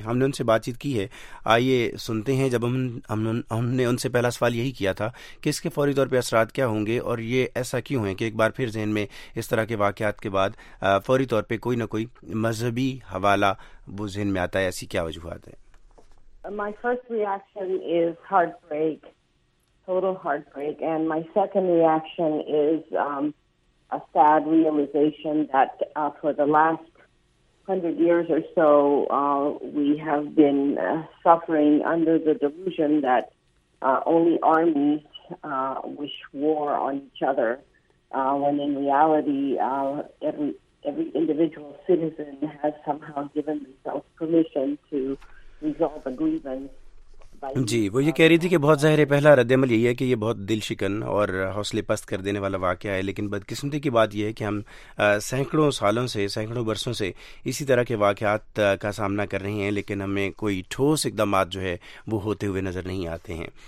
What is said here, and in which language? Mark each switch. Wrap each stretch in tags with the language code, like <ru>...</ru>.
<ur>ہم نے ان سے بات چیت کی ہے, آئیے سنتے ہیں. جب ہم نے ان سے پہلا سوال یہی کیا تھا کہ اس کے فوری طور پہ اثرات کیا ہوں گے, اور یہ ایسا کیوں ہے کہ ایک بار پھر ذہن میں اس طرح کے واقعات کے بعد فوری طور پہ کوئی نہ کوئی مذہبی حوالہ وہ ذہن میں آتا ہے, ایسی کیا وجوہات ہیں؟</ur> <en>My first reaction is heartbreak, total heartbreak. And my second reaction is a sad realization that for the last 100 years or so, we have been suffering under the delusion that only armies wish war on each other, when in reality, every individual citizen has somehow given themselves permission to resolve a grievance.</en> <ur>جی, وہ یہ کہہ رہی تھی کہ بہت ظاہر ہے پہلا رد عمل یہی ہے کہ یہ بہت دل شکن اور حوصلے پست کر دینے والا واقعہ ہے, لیکن بدقسمتی کی بات یہ ہے کہ ہم سینکڑوں سالوں سے, سینکڑوں برسوں سے اسی طرح کے واقعات کا سامنا کر رہے ہیں, لیکن ہمیں کوئی ٹھوس اقدامات جو ہے وہ ہوتے ہوئے نظر نہیں آتے ہیں.</ur>